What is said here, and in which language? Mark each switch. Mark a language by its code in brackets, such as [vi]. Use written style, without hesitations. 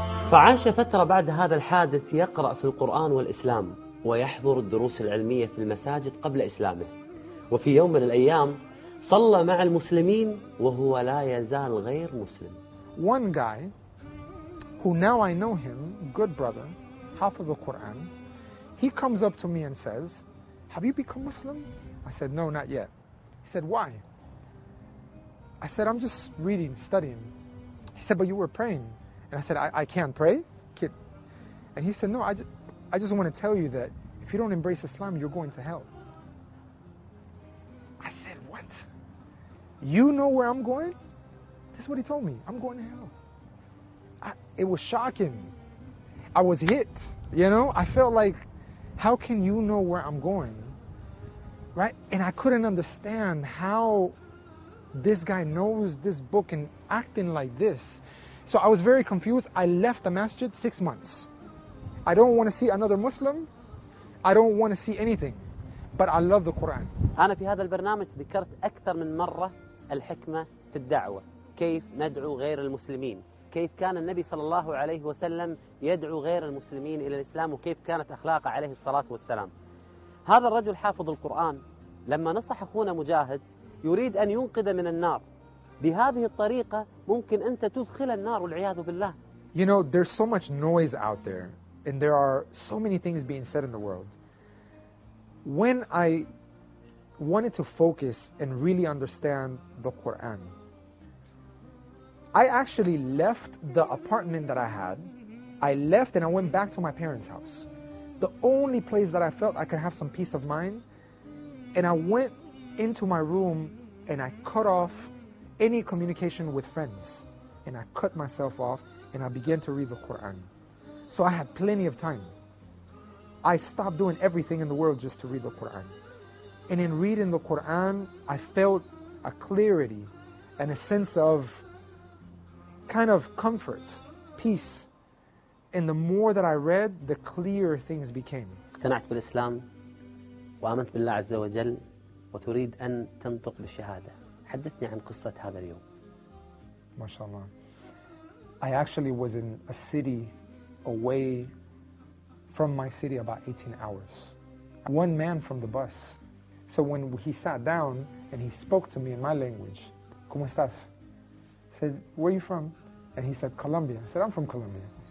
[ar] فعاش فترة بعد هذا الحادث يقرأ في القرآن والإسلام ويحضر الدروس العلمية في المساجد قبل إسلامه وفي يوم من الأيام صلى مع المسلمين وهو لا يزال غير مسلم. [en] One guy who now I know him, good brother, [ar] حافظ القرآن, [en] he comes up to me and says, "Have you become Muslim?" I said, "No, not yet." He said, "Why?" I said, "I'm just reading, studying." He said, "But you were praying." And I said, I can't pray, kid. And he said, no, I just want to tell you that if you don't embrace Islam, you're going to hell. I said, what? You know where I'm going? This is what he told me. I'm going to hell. It was shocking. I was hit, you know? I felt like, how can you know where I'm going? Right? And I couldn't understand how this guy knows this book and acting like this. So I was very confused. I left the masjid 6 months. I don't want to see another Muslim. I don't want to see anything. But I love the Quran. [ar] أنا في هذا البرنامج ذكرت أكثر من مرة الحكمة في الدعوة. كيف ندعو غير المسلمين؟ كيف كان النبي صلى الله عليه وسلم يدعو غير المسلمين إلى الإسلام؟ وكيف كانت أخلاقه عليه الصلاة والسلام؟ هذا الرجل حافظ القرآن. لما نصح أخونا مجاهد يريد أن ينقذ من النار. بهذه الطريقة ممكن أنت تدخل النار والعياذ بالله. [en] You know, there's so much noise out there and there are so many things being said in the world. When I wanted to focus and really understand the Quran, I actually left the apartment that I had. I left and I went back to my parents' house. The only place that I felt I could have some peace of mind. And I went into my room and I cut off any communication with friends. And I cut myself off and I began to read the Quran. So I had plenty of time. I stopped doing everything in the world just to read the Quran. And in reading the Quran, I felt a clarity and a sense of kind of comfort, peace. And the more that I read, the clearer things became. [ar] اقتنعت بالإسلام وآمنت بالله عز وجل وتريد أن تنطق بالشهادة. حدثني عن قصة هذا اليوم. ما شاء الله. [en] I actually was in a city away from from my city about 18 hours. One man from the bus. So when he sat down and he spoke to me in my language, [es] ¿Cómo estás? [en] I said, where are you from? And he said, Colombia. I said, I'm from Colombia.